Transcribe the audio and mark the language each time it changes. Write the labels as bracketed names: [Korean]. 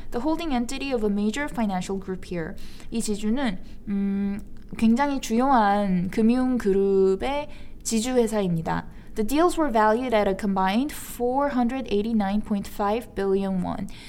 [English] The holding entity of a major financial group here. [Korean] 이 지주는 굉장히 중요한 금융 그룹의 지주 회사입니다. [English] The deals were valued at a combined 489.5 billion won.